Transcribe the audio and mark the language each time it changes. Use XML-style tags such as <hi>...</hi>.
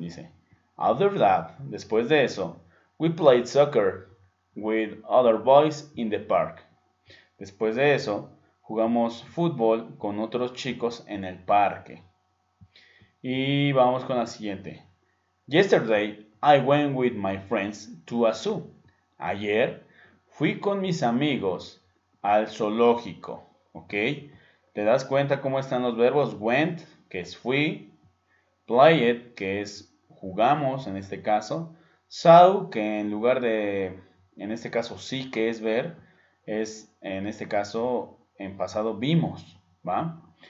<es>Dice,</es> <en>after that,</en> <es>después de eso,</es> <en>we played soccer with other boys in the park.</en> <es>Después de eso, jugamos fútbol con otros chicos en el parque. Y vamos con la siguiente.</es> <en>Yesterday, I went with my friends to a zoo.</en> <es>Ayer, fui con mis amigos al zoológico, ¿ok? ¿Te das cuenta cómo están los verbos went, que es fui, played, que es jugamos en este caso, saw, que en lugar de, en este caso sí que es ver, es en este caso en pasado vimos, ¿va?</es>